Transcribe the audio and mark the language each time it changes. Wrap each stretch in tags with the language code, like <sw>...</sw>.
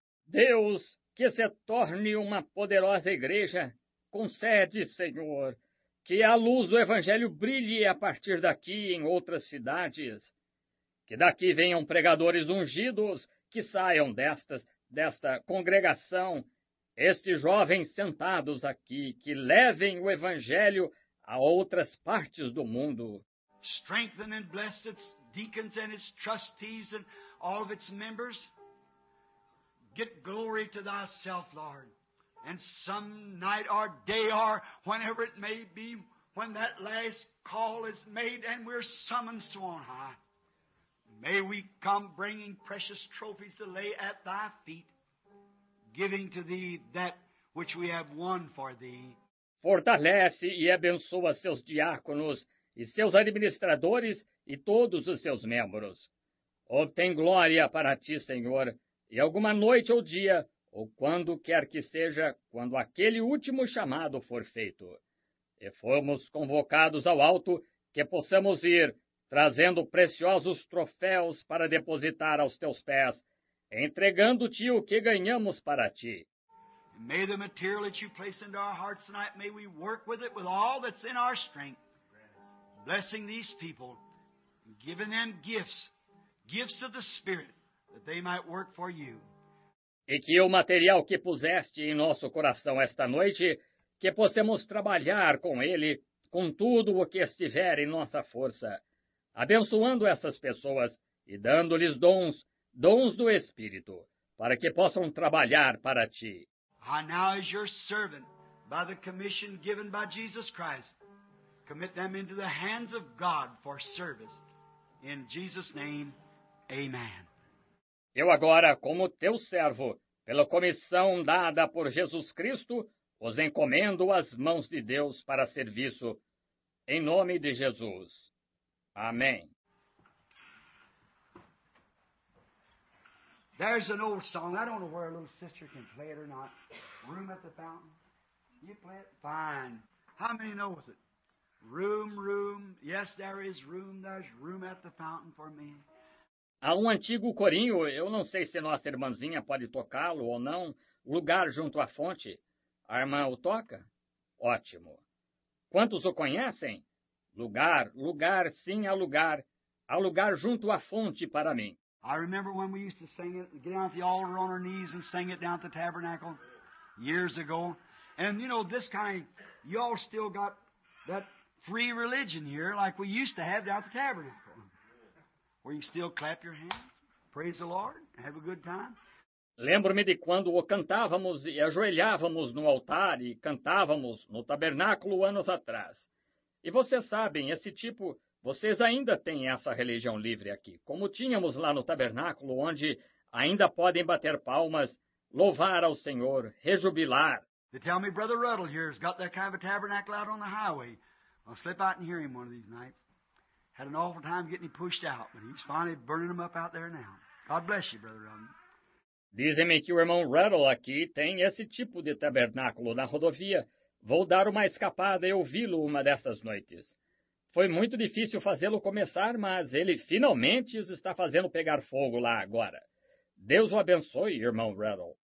<pt>Deus, que se torne uma poderosa igreja. Concede, Senhor, que a luz do Evangelho brilhe a partir daqui em outras cidades. Que daqui venham pregadores ungidos que saiam desta congregação, estes jovens sentados aqui, que levem o Evangelho a outras partes do mundo.</pt> <en>Strengthen and bless its deacons and its trustees and all of its members. Get glory to thyself, Lord. And some night or day or whenever it may be, when that last call is made and we're summoned to on high, may we come bringing precious trophies to lay at thy feet, giving to thee that which we have won for thee.</en> <pt>Fortalece e abençoa seus diáconos e seus administradores e todos os seus membros. Obtém glória para ti, Senhor, e alguma noite ou dia, ou quando quer que seja, quando aquele último chamado for feito, e formos convocados ao alto, que possamos ir, trazendo preciosos troféus para depositar aos teus pés, entregando-te o que ganhamos para ti.</pt> <en>May the material that you place into our hearts tonight, may we work with it with all that's in our strength, blessing these people, giving them gifts, gifts of the Spirit, that they might work for you.</en> <pt>E que o material que puseste em nosso coração esta noite, que possamos trabalhar com ele, com tudo o que estiver em nossa força, abençoando essas pessoas e dando-lhes dons, dons do Espírito, para que possam trabalhar para ti.</pt> <en>I now, as your servant, by the commission given by Jesus Christ, commit them into the hands of God for service. In Jesus' name, amen.</en> <pt>Eu agora, como teu servo, pela comissão dada por Jesus Cristo, os encomendo às mãos de Deus para serviço, em nome de Jesus. Amém.</pt> <en>There's an old song. I don't know where a little sister can play it or not. Room at the Fountain. You play it? Fine. How many knows it? Room, room. Yes, there is room. There's room at the Fountain for me.</en> <pt>Há um antigo corinho, eu não sei se nossa irmãzinha pode tocá-lo ou não, Lugar Junto à Fonte. A irmã o toca? Ótimo. Quantos o conhecem? Lugar, lugar, sim, há lugar. Há lugar junto à fonte para mim.</pt> <en>I remember when we used to sing it, get down at the altar on our knees and sing it down at the tabernacle years ago. And, you know, this kind, you all still got that free religion here like we used to have down at the tabernacle. Where you still clap your hands, praise the Lord, have a good time.</en> <pt>Lembro-me de quando o cantávamos e ajoelhávamos no altar e cantávamos no tabernáculo anos atrás. E vocês sabem, esse tipo, vocês ainda têm essa religião livre aqui, como tínhamos lá no tabernáculo, onde ainda podem bater palmas, louvar ao Senhor, rejubilar.</pt> <en>They tell me Brother Ruddle here has got that kind of a tabernacle out on the highway. I'll slip out and hear him one of these nights. Had an awful time getting pushed out, but he's finally burning them up out there now. God bless you, Brother Ruddle.</en> <pt>Dizem-me que o irmão Ruddle aqui tem esse tipo de tabernáculo na rodovia. Vou dar uma escapada e ouvi-lo uma dessas noites. Foi muito difícil fazê-lo começar, mas ele finalmente os está fazendo pegar fogo lá agora. Deus o abençoe, irmão Ruddle.</pt>